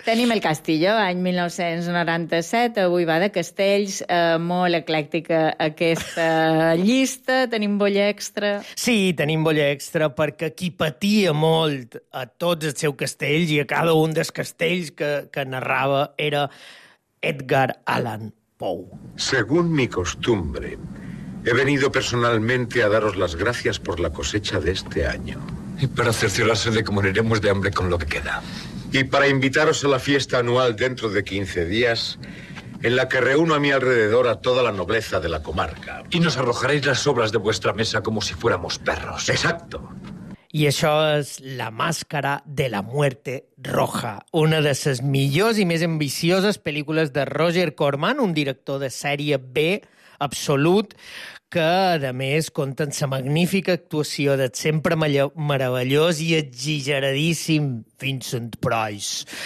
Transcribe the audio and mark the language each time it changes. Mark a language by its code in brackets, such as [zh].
[ca] Tenim El Castillo, any 1997, avui va de castells, molt eclèctica aquesta llista, tenim bolla extra. Sí, tenim bolla extra, perquè qui patia molt a tots els seus castells i a cada un dels castells que narrava era Edgar Allan Poe. [es] Según mi costumbre, he venido personalmente a daros las gracias por la cosecha de este año. Y para cerciorarse de que moriremos de hambre con lo que queda. Y para invitaros a la fiesta anual dentro de 15 días, en la que reúno a mi alrededor a toda la nobleza de la comarca. Y nos arrojaréis las sobras de vuestra mesa como si fuéramos perros. Exacto. [ca] I això és La Màscara de la Muerte Roja, una de les millors i més ambicioses pel·lícules de Roger Corman, un director de sèrie B absolut, que, a més, compta amb la magnífica actuació de sempre meravellós i exageradíssim Vincent Price.